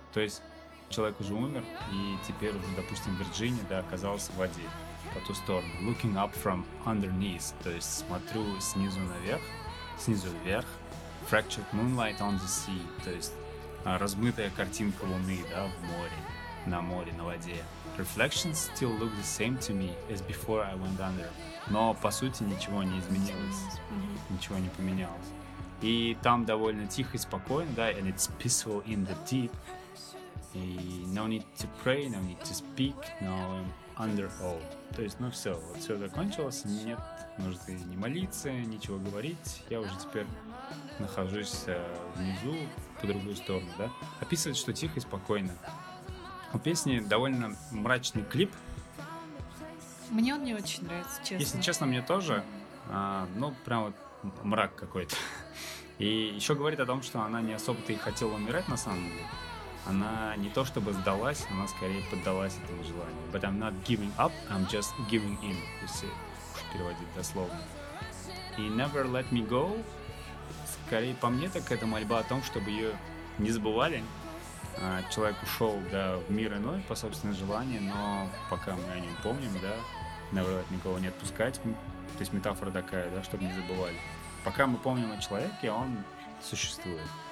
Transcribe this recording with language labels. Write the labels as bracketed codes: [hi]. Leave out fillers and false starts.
[ru] То есть человек уже умер, и теперь уже, допустим, Вирджиния, да, оказался в воде, по ту сторону. [en] «Looking up from underneath», [ru] то есть смотрю снизу наверх, снизу вверх. [en] «Fractured moonlight on the sea», [ru] то есть размытая картинка луны, да, в море, на море, на воде. [en] «Reflections still look the same to me as before I went under». [ru] Но, по сути, ничего не изменилось, ничего не поменялось. И там довольно тихо и спокойно, да, [en] «and it's peaceful in the deep». И «no need to pray, no need to speak, no I'm under all». [ru] То есть, ну все, вот все закончилось, нет нужды ни молиться, ничего говорить, я уже теперь нахожусь внизу, по другую сторону, да? Описывает, что тихо и спокойно. У песни довольно мрачный клип. Мне он не очень нравится, честно. Если честно, мне тоже. Ну, прям вот мрак какой-то. И еще говорит о том, что она не особо-то и хотела умирать, на самом деле. Она не то чтобы сдалась, она скорее поддалась этому желанию. [en] «But I'm not giving up, I'm just giving in», [ru] если переводить дословно. И «Never Let Me Go», скорее по мне, так это мольба о том, чтобы ее не забывали. Человек ушел, да, в мир иной по собственному желанию, но пока мы о нем помним, да, наоборот, никого не отпускать. То есть метафора такая, да, чтобы не забывали. Пока мы помним о человеке, он существует.